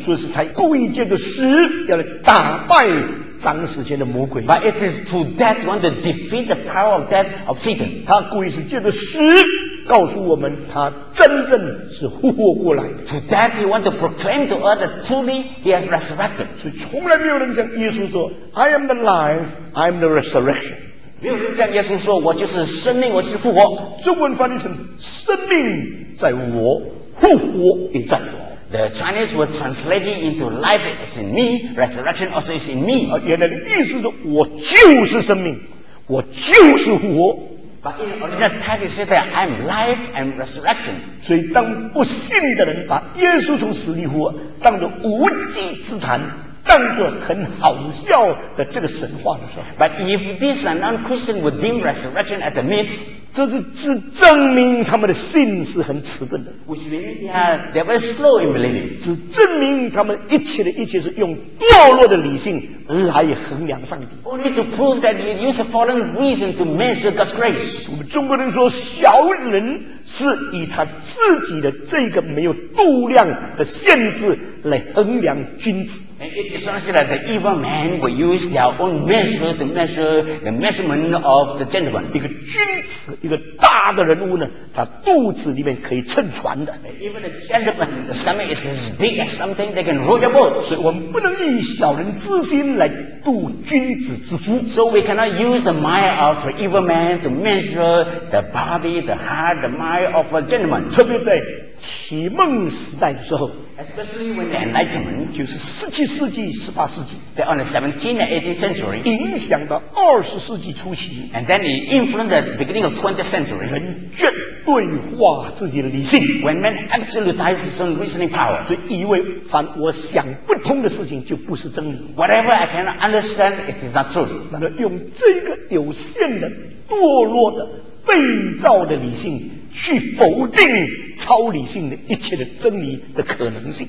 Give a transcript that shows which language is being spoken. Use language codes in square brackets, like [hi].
[zh] 所以是他故意借着死要来打败掌死权的魔鬼。 [en] But it is to death want to defeat the power of death of Satan. [zh] 他故意是借着死告诉我们他真正是复活过来。 [en] To that he want to proclaim to us that truly he has resurrected. [zh] 所以从来没有人像耶稣说 [en] I am the life, I am the resurrection. [zh] 没有人像耶稣说我就是生命，我就是复活。中文翻译成生命在我，复活也在我。 [en] The Chinese were translated into life is in me, resurrection also is in me. [zh] 原来的意思是我就是生命，我就是复活。 [en] But in the text it says that I'm life and resurrection. [zh] 所以当不信的人把耶稣从死里复活当作无稽之谈，当作很好笑的这个神话的时候。 [en] But if this non-Christian would deem resurrection as a myth, [zh] 这是只证明他们的信是很迟钝的。 [en] Which means they were slow in believing. [zh] 只证明他们一切的一切是用堕落的理性来衡量上帝。 [en] Only to prove that you use a fallen reason to measure God's grace. [zh] 我们中国人说小人是以他自己的这个没有度量的限制来衡量君子。 [en] And it is not that the evil man will use their own measure to measure the measurement of the gentleman. [zh] 一个君子，一个大的人物呢，他肚子里面可以撑船的。 [en] Even a gentleman, the stomach is as big as something they can row your boat. [zh] 所以我们不能以小人之心来度君子之腹。 [en] So we cannot use the mind of an evil man to measure the body, the heart, the mind of a gentleman. [zh] 特别在启蒙时代的时候， [en] especially when the Enlightenment, [zh] 就是17世纪、18世纪， [en] that on the 17th and 18th century, [zh] 影响到20世纪初期， [en] and then it influenced the beginning of 20th century, [zh] 人绝对化自己的理性， [en] when man absolutized his own reasoning power, [zh] 所以以为凡我想不通的事情就不是真理， [en] whatever I cannot understand, it is not true. [zh] 那么用这个有限的、堕落的、被造的理性去否定超理性的一切的真理的可能性。